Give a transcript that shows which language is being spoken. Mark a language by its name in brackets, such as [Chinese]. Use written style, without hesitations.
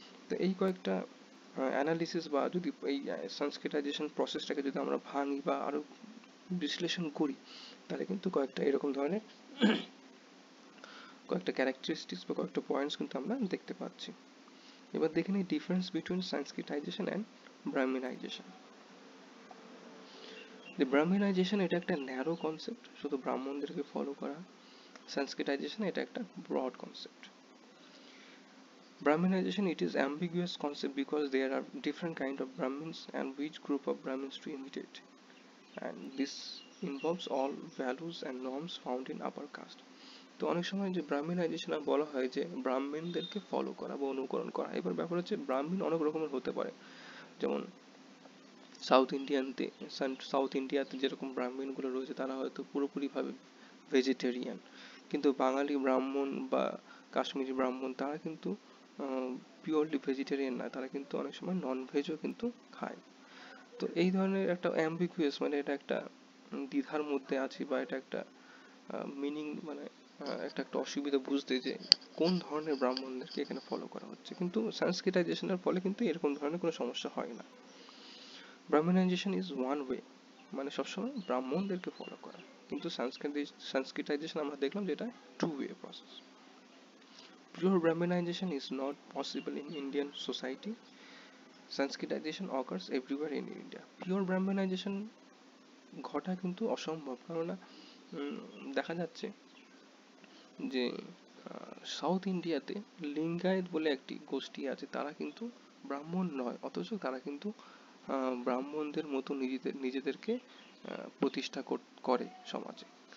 [Bangla] তো এই কয়েকটা অ্যানালিসিস, বা যদি এই সংস্কৃতাইজেশন প্রসেসটাকে যদি আমরা ভাঙি বা আরো বিশ্লেষণ করি, তাহলে কিন্তু কয়েকটা এরকম ধরনের কয়েকটা ক্যারেক্টারিস্টিক্স বা কয়েকটা পয়েন্টস কিন্তু আমরা দেখতে পাচ্ছি। এবার দেখে নিই ডিফারেন্স বিটুইন সংস্কৃতাইজেশন অ্যান্ড ব্রাহ্মিনাইজেশন। যে ব্রাহ্মিনাইজেশন এটা একটা ন্যারো কনসেপ্ট, শুধু ব্রাহ্মণদেরকে ফলো করা, সংস্কৃতাইজেশন এটা একটা broad concept. [English] Brahminization, it is ambiguous concept because there are different kind of Brahmins and which group of Brahmins to imitate. And this involves all values and norms found in upper caste. [Bangla] তো অনেক সময় যে ব্রাহ্মিনাইজেশন বলা হয় যে ব্রাহ্মিনদেরকে follow করা বা অনুকরণ করা, এবার ব্যাপার হচ্ছে ব্রাহ্মিন অনেক রকমের হতে পারে। যেমন সাউথ ইন্ডিয়াতে যেরকম ব্রাহ্মিন গুলো রয়েছে, তারা হয়তো পুরোপুরি ভাবে ভেজিটেরিয়ান, কিন্তু বাঙালি ব্রাহ্মণ বা কাশ্মীরি ব্রাহ্মণ তারা কিন্তু পিওরলি ভেজিটেরিয়ান না, তারা কিন্তু অনেক সময় নন ভেজও কিন্তু খায়। তো এই ধরনের একটা অ্যাম্বিগুয়াস, মানে এটা একটা দ্বিধার মধ্যে আছে, বা এটা একটা মিনিং, মানে একটা একটা অসুবিধা বুঝতে যে কোন ধরনের ব্রাহ্মণদেরকে এখানে ফলো করা হচ্ছে। কিন্তু সংস্কৃতাইজেশনের ফলে কিন্তু এরকম ধরনের কোনো সমস্যা হয় না। [English] Brahmanization is one way, [Bangla] মানে সবসময় ব্রাহ্মণদেরকে ফলো করা, কিন্তু সংস্কৃতাইজেশন আমরা দেখলাম যে এটা two way process. [English] Pure Brahminization is not possible in Indian society. Sanskritization occurs everywhere in India. [Bangla] Pure Brahminization ঘটা কিন্তু অসম্ভব, কারণ দেখা যাচ্ছে যে সাউথ ইন্ডিয়াতে লিঙ্গায়েত বলে একটি গোষ্ঠী আছে, তারা কিন্তু ব্রাহ্মণ নয়, অথচ তারা কিন্তু ব্রাহ্মণদের মতো নিজেদেরকে প্রতিষ্ঠা করে সমাজে।